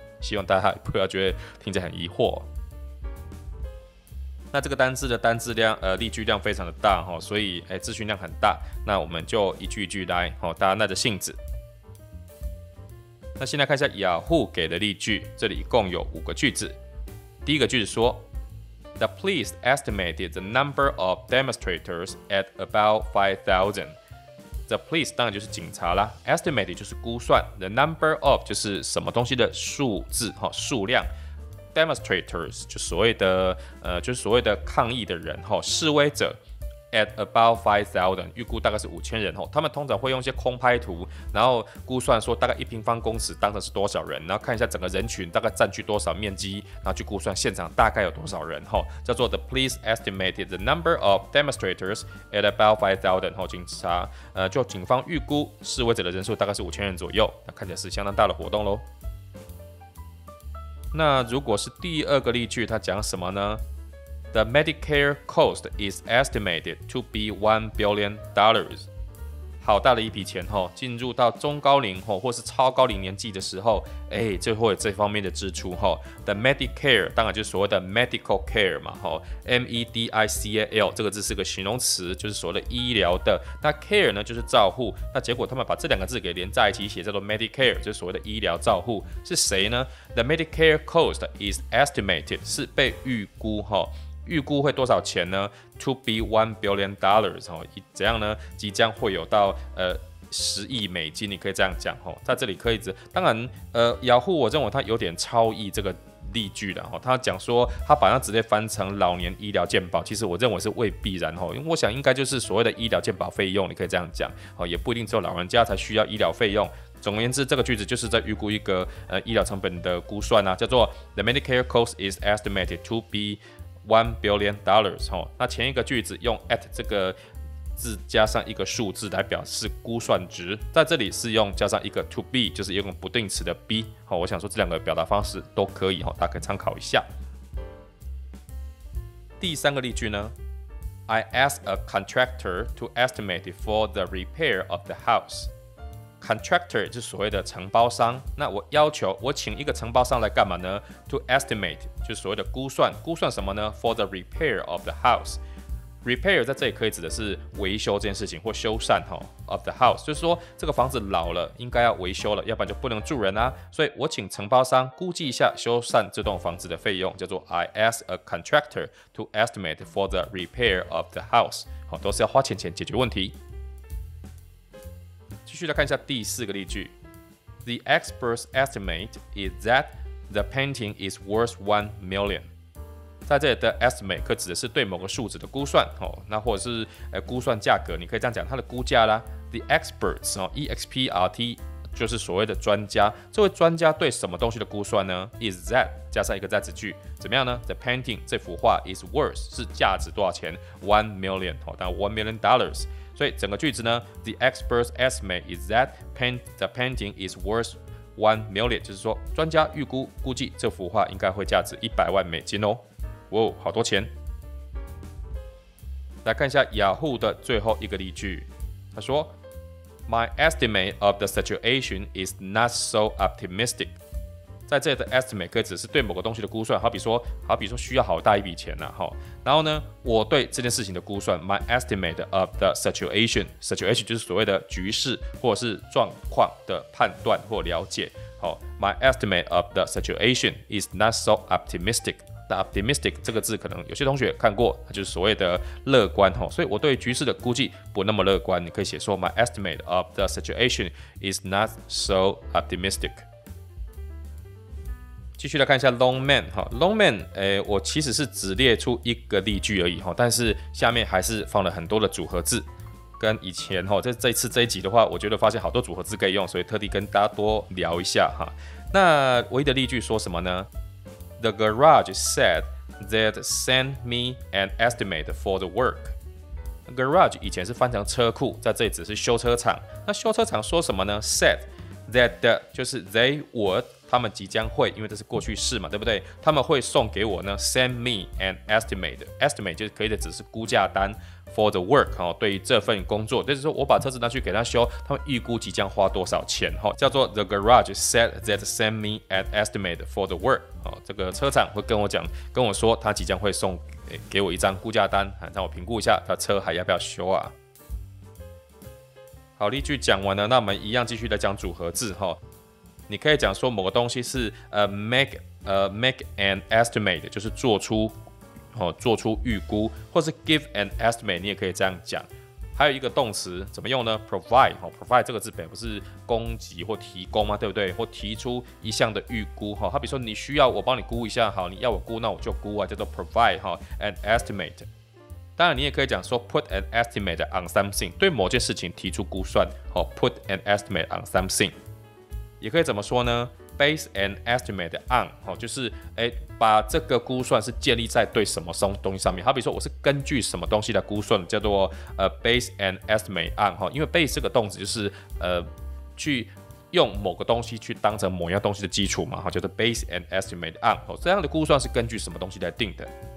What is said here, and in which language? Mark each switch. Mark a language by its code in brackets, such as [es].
[zh] 希望大家不要觉得听着很疑惑。那这个单字的单字量，例句量非常的大，所以资讯量很大。那我们就一句一句来，大家耐着性子。那先来看一下雅虎给的例句，这里一共有五个句子。第一个句子说 [en] ，The police estimated the number of demonstrators at about 5,000。 The police [zh] 当然就是警察啦 ，estimated 就是估算 ， [en] the number of [zh] 就是什么东西的数字，数量。 Demonstrators 就所谓的抗议的人示威者 [en] at about 5,000 [zh] 预估大概是5,000人他们通常会用一些空拍图，然后估算说大概一平方公尺当成是多少人，然后看一下整个人群大概占据多少面积，然后去估算现场大概有多少人叫做 [en] the police estimated the number of demonstrators at about 5,000 [zh] 警方预估示威者的人数大概是5,000人左右，那看起来是相当大的活动喽。那如果是第二个例句，它讲什么呢 ？ [en] The Medicare cost is estimated to be $1 billion。 [zh] 好大的一笔钱哦！进入到中高龄哦，或是超高龄年纪的时候，就会有这方面的支出哦。 [en] The Medicare [zh] 当然就是所谓的 [en] medical care [zh] 嘛，Medical 这个字是个形容词，就是所谓的医疗的。那 care 呢，就是照护。那结果他们把这两个字给连在一起写，叫做 Medicare， 就是所谓的医疗照护。是谁呢 ？ [en] The Medicare cost is estimated [zh] 是被预估哦。预估会多少钱呢 ？ [en] To be $1 billion [zh] 哦，怎样呢？即将会有到$10亿，你可以这样讲哦。在这里可以指，当然Yahoo 我认为它有点超译这个例句的哦。他讲说他把它直接翻成老年医疗健保，其实我认为是未必然哦，因为我想应该就是所谓的医疗健保费用，你可以这样讲哦，也不一定只有老人家才需要医疗费用。总而言之，这个句子就是在预估一个医疗成本的估算啊，叫做 [en] The Medicare cost is estimated to be $1 billion [zh] 哦，那前一个句子用 at 这个字加上一个数字来表示估算值，在这里是用加上一个 [en] to be， [zh] 就是用不定词的 be 哦。我想说这两个表达方式都可以哦，大家可以参考一下。第三个例句呢 [en] ，I asked a contractor to estimate for the repair of the house。 [zh] Contractor 就是所谓的承包商，那我要求我请一个承包商来干嘛呢 ？ [en] To estimate [zh] 就是所谓的估算，估算什么呢 ？ [en] For the repair of the house。 [zh] Repair 在这里可以指的是维修这件事情或修缮 [en] of the house， [zh] 就是说这个房子老了应该要维修了，要不然就不能住人啊。所以我请承包商估计一下修缮这栋房子的费用，叫做 [en] I ask a contractor to estimate for the repair of the house。 [zh] 好，都是要花钱解决问题。继续来看一下第四个例句 [en] ，The expert's estimate is that the painting is worth $1 million。 [zh] 在这里的 estimate 可指的是对某个数字的估算哦，那或者是估算价格，你可以这样讲它的估价啦。 [en] The experts [zh] 哦 ，expert 就是所谓的专家，这位专家对什么东西的估算呢 ？ [en] Is that [zh] 加上一个 that 句，怎么样呢 ？ [en] The painting [zh] 这幅画 [en] is worth [zh] 是价值多少钱 ？$1 million 哦，但$1 million。所以整个句子呢 ， [en] The expert's estimate is that the painting is worth $1 million， [zh] 就是说专家估计这幅画应该会价值$1,000,000哦，哇，好多钱！来看一下雅虎的最后一个例句，他说 ， [en] My estimate of the situation is not so optimistic。 [zh] 在这里的 estimate 可以只是对某个东西的估算，好比说需要好大一笔钱呐、啊，哈。然后呢，我对这件事情的估算 ， [en] my estimate of the situation [zh] 就是所谓的局势或者是状况的判断或了解。好 [en] ，my estimate of the situation is not so optimistic。 [zh] 那 optimistic 这个字可能有些同学看过，它就是所谓的乐观哈。所以我对局势的估计不那么乐观，你可以写说 [en] my estimate of the situation is not so optimistic。 [zh] 继续来看一下 long man 哈 ，long man， 我其实是只列出一个例句而已哈，但是下面还是放了很多的组合字，跟以前哈，这一次这一集的话，我觉得发现好多组合字可以用，所以特地跟大家多聊一下哈。那唯一的例句说什么呢 [en] ？The garage said that send me an estimate for the work。 [zh] Garage 以前是翻成车库，在这里只是修车厂。那修车厂说什么呢？ [en] Said that the, [zh] 就是 [en] they would [zh] 他们即将会，因为这是过去式嘛，对不对？他们会送给我呢 [en] send me an estimate。 [zh] Estimate 就是可以的只是估价单 [en] for the work、 [zh] 哦、对于这份工作，就是说我把车子拿去给他修，他们预估即将花多少钱、哦、叫做 [en] the garage said that send me an estimate for the work、 [zh] 哦、这个车厂会跟我讲，跟我说他即将会送给我一张估价单，让我评估一下他车还要不要修啊。好，例句讲完了，那我们一样继续来讲组合字。你可以讲说某个东西是 [en] make an estimate， [zh] 就是做出预估，或是 [en] give an estimate， [zh] 你也可以这样讲。还有一个动词怎么用呢？Provide， provide 这个字本不是供给或提供吗？对不对？或提出一项的预估，好比说你需要我帮你估一下，好，你要我估那我就估啊，叫做 [en] provide an estimate。 [zh] 当然你也可以讲说 [en] put an estimate on something， [zh] 对某件事情提出估算， put an estimate on something。也可以怎么说呢？ [en] base an estimate on， [zh] 就是把这个估算是建立在对什么东西上面，好比说我是根据什么东西来估算，叫做base an estimate on。因为 base 这个动词就是去用某个东西去当成某样东西的基础嘛，叫做 [en] base an estimate on， [zh] 这样的估算是根据什么东西来定的。